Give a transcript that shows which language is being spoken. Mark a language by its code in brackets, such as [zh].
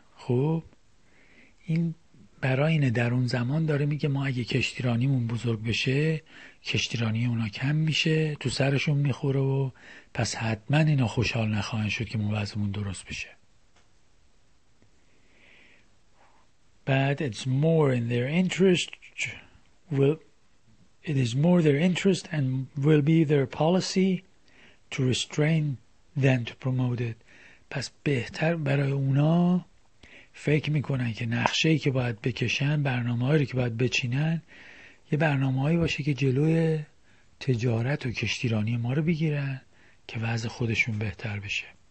[fa] خوب این برای اینه در اون زمان داره میگه ما اگه کشتیرانیمون بزرگ بشه، کشتیرانی اونا کم میشه، تو سرشون میخوره و پس حتما اینا خوشحال نخواهند شد که ما وضعمون درست بشه. [en] But it is more their interest and will be their policy to restrain than to promote it. [fa] پس بهتر برای اونا فکر میکنن که نقشه‌ای که باید بکشن، برنامه‌ای که باید بچینن، یه برنامه‌ای باشه که جلوی تجارت و کشتیرانی ما رو بگیرن که وضع خودشون بهتر بشه.